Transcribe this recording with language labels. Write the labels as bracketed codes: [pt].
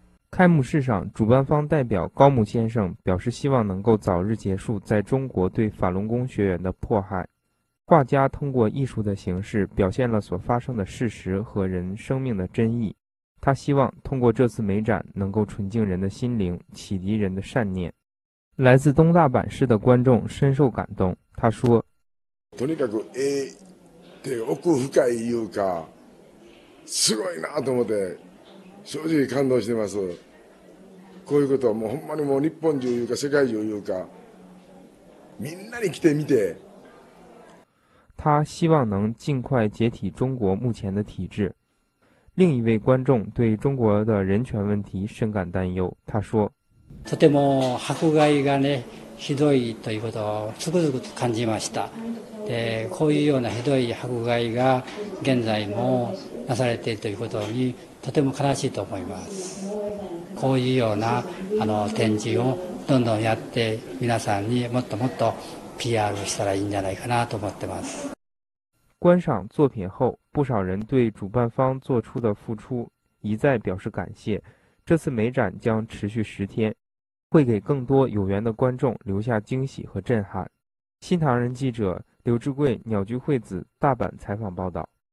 [zh] 开幕式上，主办方代表高木先生表示希望能够早日结束在中国对法轮功学员的迫害。画家通过艺术的形式表现了所发生的事实和人生命的真意。他希望通过这次美展能够纯净人的心灵，启迪人的善念。来自东大阪市的观众深受感动，他说： [ja] とにかく絵で奥深いいうかすごいなと思って正直感動してます。こういうことはもうほんまにもう日本中いうか世界中いうかみんなに来てみて。 [zh] 他希望能尽快解体中国目前的体制。另一位观众对中国的人权问题深感担忧，他说： [ja] とても迫害がねひどいということをつくづくと感じました。でこういうようなひどい迫害が現在もなされているということにとても悲しいと思います。こういうようなあの展示をどんどんやって皆さんにもっともっと PR したらいいんじゃないかなと思ってます。 [zh] 观赏作品后，不少人对主办方做出的付出一再表示感谢。这次美展将持续10天，会给更多有缘的观众留下惊喜和震撼。新唐人记者刘志贵、鸟居惠子大阪采访报道。